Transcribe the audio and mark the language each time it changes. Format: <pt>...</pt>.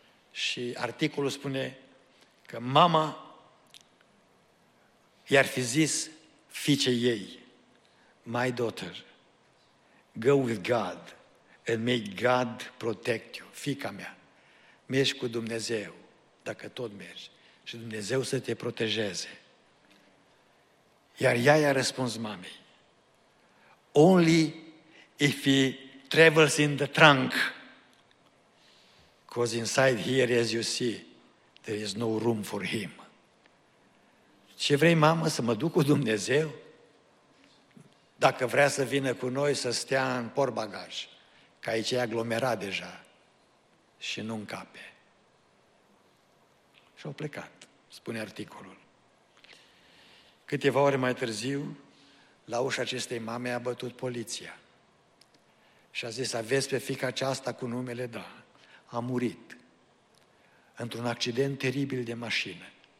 <ro>Și articolul spune că mama i-ar fi zis fiicei ei, my daughter, go with God and may God protect you, fiica mea, mergi cu Dumnezeu, dacă tot mergi, și Dumnezeu să te protejeze.</ro> <en>Iar ea i-a răspuns mamei, only if he travels in the trunk, because inside here, as you see, there is no room for him.</en> <ro>Ce vrei, mamă, să mă duc cu Dumnezeu? Dacă vrea să vină cu noi, să stea în portbagaj, că aici e aglomerat deja și nu încape. Și-au plecat, spune articolul. Câteva ore mai târziu, la ușa acestei mame a bătut poliția și a zis, aveți pe fiica aceasta cu numele, da, a murit într-un accident teribil de mașină.</ro>